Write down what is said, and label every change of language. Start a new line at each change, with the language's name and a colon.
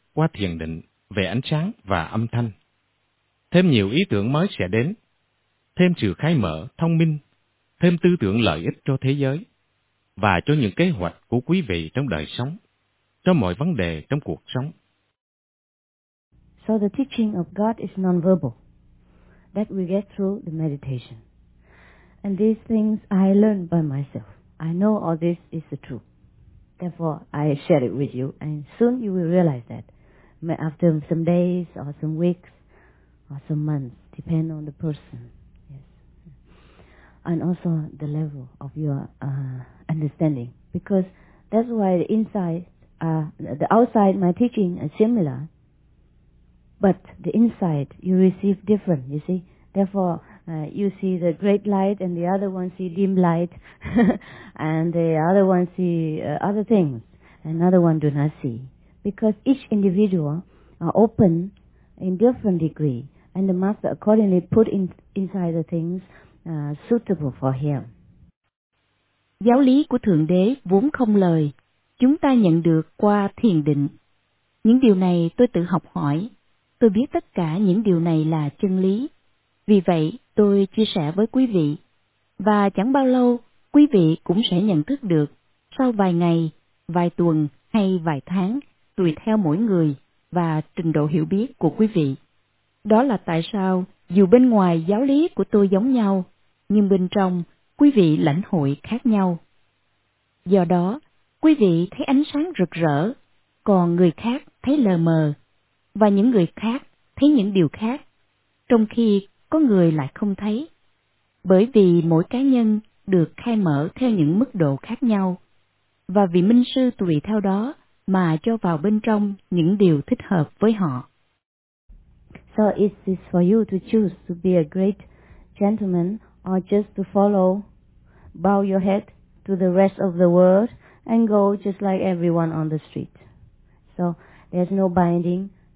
Vietnamese: qua thiền định về ánh sáng và âm thanh. Thêm nhiều ý tưởng mới sẽ đến, thêm sự khai mở, thông minh, thêm tư tưởng lợi ích cho thế giới và cho những kế hoạch của quý vị trong đời sống, cho mọi vấn đề trong cuộc sống.
English: So the teaching of God is non-verbal, that we get through the meditation. And these things I learned by myself. I know all this is the truth. Therefore, I share it with you, and soon you will realize that. After some days, or some weeks, or some months, depend on the person. Yes. And also the level of your understanding. Because that's why the inside, the outside, my teaching is similar. But the inside, you receive different, you see. Therefore, you see the great light and the other one see dim light. And the other one see other things. Another one do not see. Because each individual are open in different degree. And the master accordingly put inside the things suitable for him.
Vietnamese: Giáo lý của Thượng Đế vốn không lời. Chúng ta nhận được qua thiền định. Những điều này tôi tự học hỏi. Tôi biết tất cả những điều này là chân lý. Vì vậy, tôi chia sẻ với quý vị. Và chẳng bao lâu, quý vị cũng sẽ nhận thức được sau vài ngày, vài tuần hay vài tháng, tùy theo mỗi người và trình độ hiểu biết của quý vị. Đó là tại sao, dù bên ngoài giáo lý của tôi giống nhau, nhưng bên trong, quý vị lãnh hội khác nhau. Do đó, quý vị thấy ánh sáng rực rỡ, còn người khác thấy lờ mờ. Và những người khác thấy những điều khác, trong khi có người lại không thấy. Bởi vì mỗi cá nhân được khai mở theo những mức độ khác nhau, và vị minh sư tùy theo đó mà cho vào bên trong những điều thích hợp với họ.
English: So it is for you to choose to be a great gentleman or just to follow, bow your head to the rest of the world and go just like everyone on the street. So there's no binding.